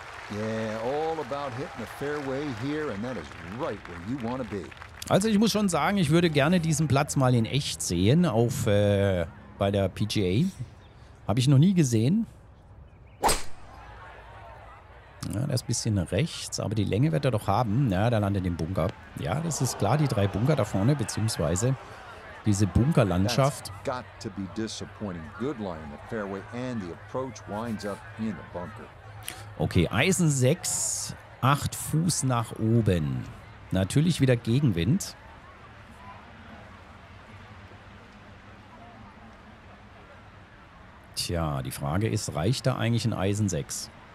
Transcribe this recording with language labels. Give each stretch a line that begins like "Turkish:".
English: Yeah, all about hitting the fairway here, and that is right where you want to be.
German: Also ich muss schon sagen, ich würde gerne diesen Platz mal in echt sehen auf bei der PGA. Habe ich noch nie gesehen. Ja, der ist ein bisschen rechts, aber die Länge wird er doch haben. Ja, da landet im Bunker. Ja, das ist klar, die drei Bunker da vorne, beziehungsweise. Diese Bunkerlandschaft.
English: That's got to be disappointing. Good line in the fairway and the approach winds up in the bunker.
German: Okay, Eisen 6, 8 Fuß nach oben. Natürlich wieder Gegenwind. Tja, die Frage ist, reicht da eigentlich ein Eisen 6?